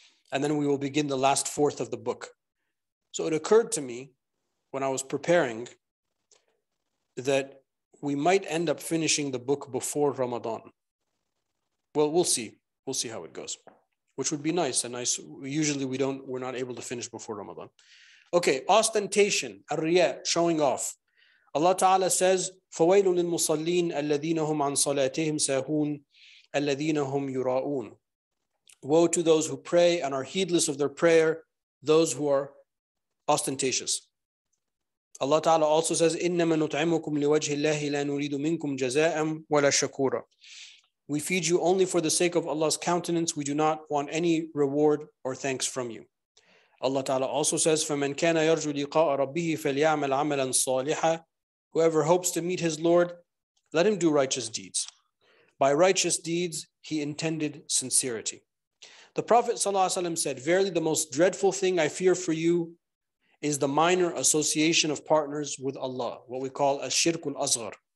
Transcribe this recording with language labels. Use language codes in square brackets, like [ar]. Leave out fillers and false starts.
[en] And then we will begin the last fourth of the book. So it occurred to me when I was preparing that we might end up finishing the book before Ramadan. Well, we'll see. We'll see how it goes, which would be nice. Usually we're not able to finish before Ramadan. Okay, ostentation, al-riya, showing off. Allah Ta'ala says, [ar] فَوَيْلٌ لِلْمُصَلِّينَ الَّذِينَ هُمْ عَنْ صَلَاتِهِمْ سَاهُونَ الَّذِينَ هُمْ يُرَاؤُونَ. [en] Woe to those who pray and are heedless of their prayer, those who are ostentatious. Allah Ta'ala also says, [ar] إِنَّمَا نُطْعِمُكُمْ لِوَجْهِ اللَّهِ لَا نُرِيدُ مِنْكُمْ جَزَاءً وَلَا شَكُورًا. [en] We feed you only for the sake of Allah's countenance. We do not want any reward or thanks from you. Allah Ta'ala also says, [ar] فَمَنْ كَانَ يَرْجُ لِقَاءَ رَبِّهِ فَلْيَعْمَلْ عَمَلًا صَالِحًا. [en] Whoever hopes to meet his Lord, let him do righteous deeds. By righteous deeds, he intended sincerity. The Prophet ﷺ said, verily the most dreadful thing I fear for you is the minor association of partners with Allah, what we call al-shirk al-asghar.